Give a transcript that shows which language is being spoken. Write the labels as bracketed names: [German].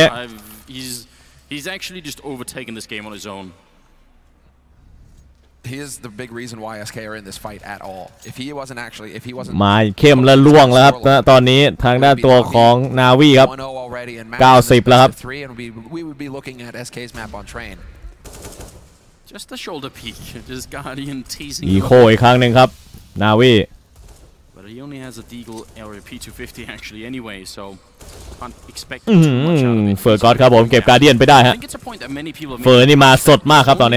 [English] He's actually just overtaken this game on his own. He is the big reason why SK are in this fight at all. If he wasn't actually if he wasn't [Thai] มาเข้มและล่วงแล้วครับตอนนี้ทางด้านตัวของ Navi ครับ90แล้วครับ [English] We would be looking at SK's map on train. Just the shoulder peek. Just Guardian teasing. [Thai] อีกครั้งนึงครับ Navi. [English] But he only has a Deagle LRP 250 actually anyway, so can't expect too much out of it. [Thai] Fergot ครับผมเก็บ Guardian ไปได้ฮะ Fer นี่มาสดมากครับตอนน